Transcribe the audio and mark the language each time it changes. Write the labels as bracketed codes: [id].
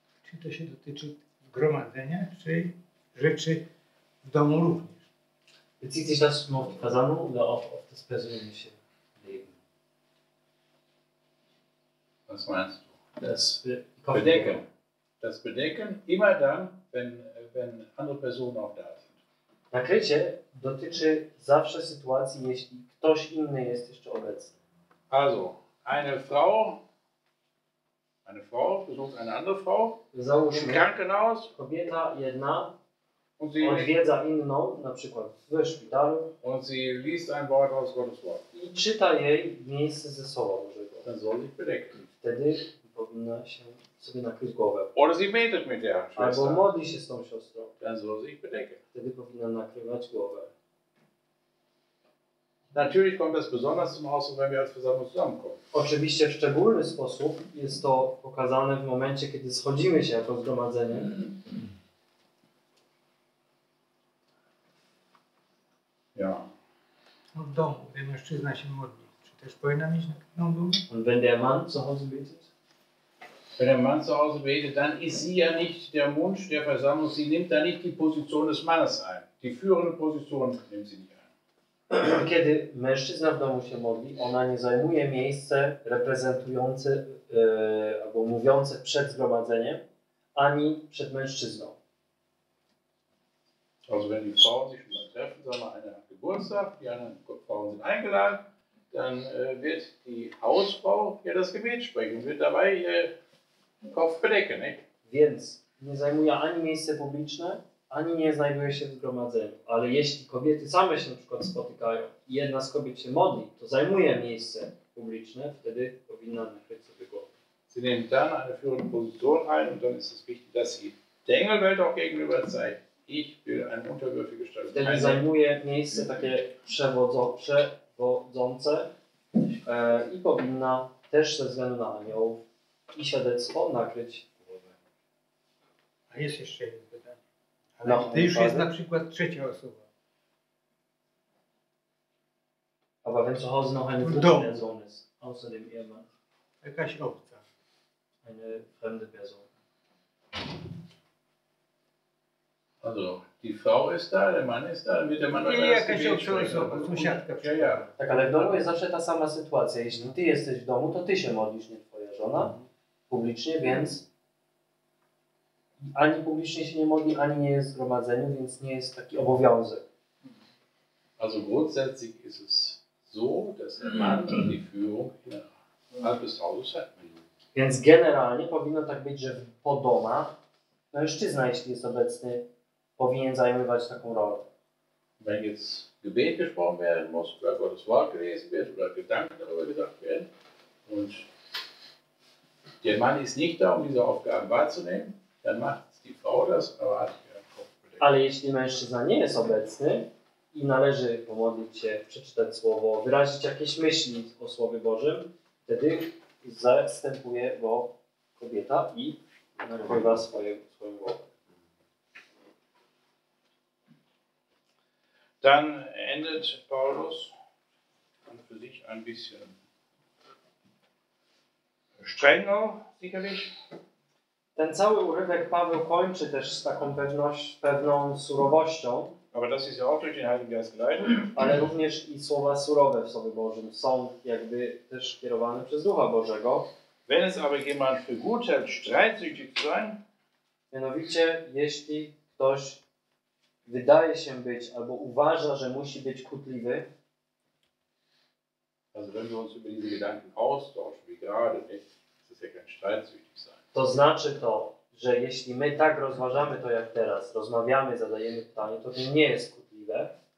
[pl] Czy to się dotyczy zgromadzenia, czy rzeczy w domu również? [de] Bezieht sich das nur auf die Versammlung oder auch auf das persönliche Leben? Was meinst du? Das Bedecken. Das Bedecken immer dann, wenn andere Personen auch da sind. [pl] Nakrycie dotyczy zawsze sytuacji, jeśli ktoś inny jest jeszcze obecny. [de] Also, eine Frau besucht eine andere Frau [pl] załóżmy, [de] im Krankenhaus. [pl] Kobieta jedna odwiedza inną, na przykład w szpitalu. [de] Und sie liest ein Wort aus Gottes Wort. [pl] I czyta jej miejsce ze Słowa Bożego. [de] Dann soll sich bedecken. [pl] Wtedy powinna się sobie nakryć głowę. [de] Oder sie betet mit der Schwester. [pl] Albo modli się z tą siostrą. [de] Dann soll sie bedecken. [pl] Wtedy powinna nakrywać głowę. [de] Natürlich kommt das besonders zum Ausdruck, wenn wir als Versammlung zusammenkommen. [pl] Oczywiście w szczególny sposób jest to pokazane w momencie, kiedy schodzimy się jako zgromadzenie. [de] Ja. [pl] No w domu, gdy mężczyzna się modli, czy też powinna mieć nakrytą głowę? [de] Und wenn der Mann zu Hause betet? Wenn der Mann zu Hause betet, dann ist sie ja nicht der Mund der Versammlung. Sie nimmt da nicht die Position des Mannes ein. Die führende Position nimmt sie nicht ein. Kiedy mężczyzna w domu się modli, ona nie zajmuje miejsce reprezentujące albo mówiące przed zgromadzeniem, ani przed mężczyzną. Also wenn die Frauen sich mal treffen, sagen wir, eine hat Geburtstag, die anderen Frauen sind eingeladen, dann wird die Hausfrau ja das Gebet sprechen und wird dabei Kopf bedecken, nie? [pl] Więc nie zajmuje ani miejsce publiczne, ani nie znajduje się w zgromadzeniu. Ale jeśli kobiety same się na przykład spotykają i jedna z kobiet się modli, to zajmuje miejsce publiczne, wtedy powinna nakryć sobie głowę. [de] Sie nimmt dann eine führende Position ein und dann ist es wichtig, dass sie der Engelwelt auch gegenüber zeigt. Ich will eine unterwürfige Stellung. [pl] Wtedy zajmuje miejsce takie przewodzące i powinna też ze względu na aniołów i świadectwo nakryć głowę. A jest jeszcze jedno pytanie. Ale no, to już jest na przykład trzecia osoba. [de] Aber wenn zu Hause noch eine dritte Person ist, außer dem Ehemann. [pl] Jakaś obca. [de] Eine fremde Person. Also, die Frau ist da, der Mann ist da, wird der Mann oder das Gebet sprechen. [pl] Nie, jakaś obca osoba, [de] ja, ja. [pl] Tak, ale w domu jest zawsze ta sama sytuacja. Jeśli ty jesteś w domu, to ty się modlisz, nie twoja żona. Publicznie, więc... Ani publicznie się nie modli, ani nie jest w zgromadzeniu, więc nie jest taki obowiązek. [de] Also grundsätzlich ist es so, dass der Mann die Führung innerhalb des Hauses hat. [pl] Więc generalnie powinno tak być, że po domach mężczyzna, jeśli jest obecny, powinien zajmować taką rolę. [de] Wenn jetzt Gebet gesprochen werden muss, oder Gottes Wort gelesen wird, oder Gedanken darüber gedacht werden, und der Mann ist nicht da, um diese Aufgaben wahrzunehmen, dann macht die Frau das, aber hat ihren Kopf bedeckt. [pl] Ale jeśli mężczyzna nie jest obecny, i należy pomodlić się, przeczytać słowo, wyrazić jakieś myśli o Słowie Bożym, wtedy zastępuje go kobieta i nakrywa swoją głowę. [de] Dann endet Paulus an für sich ein bisschen strenger, sicherlich. [pl] Ten cały urywek Paweł kończy też z taką pewną surowością. [de] Aber das ist ja auch durch den Heiligen Geist geleitet. [pl] Ale również i słowa surowe w Słowie Bożym są jakby też kierowane przez Ducha Bożego. [de] Wenn es aber jemand für gut hält, streitsüchtig zu sein. [pl] Mianowicie, jeśli ktoś wydaje się być, albo uważa, że musi być kutliwy. [de] Also wenn wir uns über diese Gedanken austauschen, wie gerade, nicht? Das ist ja kein streitsüchtig sein. [pl] To znaczy to, że jeśli my tak rozważamy to jak teraz, rozmawiamy, zadajemy pytanie, to nie jest kłótliwe.